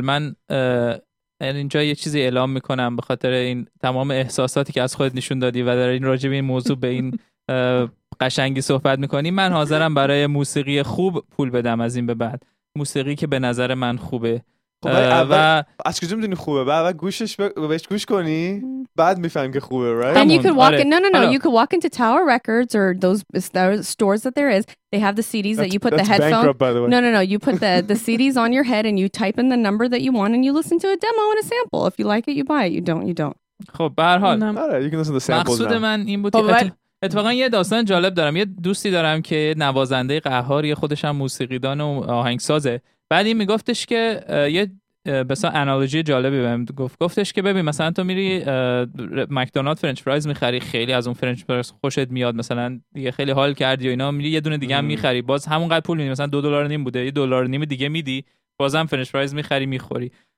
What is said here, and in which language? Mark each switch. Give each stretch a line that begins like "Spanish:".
Persian: من اینجا یه چیزی اعلام میکنم به خاطر این تمام احساساتی که از خودت نشون دادی و در این راجب این موضوع به این قشنگی صحبت میکنی. من حاضرم برای موسیقی خوب پول بدم از این به بعد. موسیقی که به نظر من خوبه. اول از کجا میدونی خوبه؟ بعد گوشش بهش گوش کنی بعد میفهمی که خوبه, right?
English: And you could walk in. No. You could walk into Tower Records or those stores that there is. They have the CDs that you put the headphones. That's bankrupt, by the way. No. You put the CDs on your head and you type in the number that you want and you listen to a demo and a sample. If you like it, you buy it. You don't, you don't.
Persian: خب به هر حال.
English: You can listen to the samples.
Persian: مقصود من این بود. اتفاقا یه داستان جالب دارم. یه دوستی دارم که نوازنده قهار, یه خودش هم موسیقیدان و آهنگسازه. بعد این میگفتش که مثلا انالوجی جالبی بهم گفت. گفتش که ببین مثلا تو میری مکدونالد فرنچ فرایز میخری, خیلی از اون فرنچ فرایز خوشت میاد, مثلا دیگه خیلی حال کردی و اینا, میری یه دونه دیگه هم میخری, باز همونقدر پول میدی, مثلا $2.5 بوده, $1.5 دیگه میدی, بازم فرنچ فرایز میخری میخوری.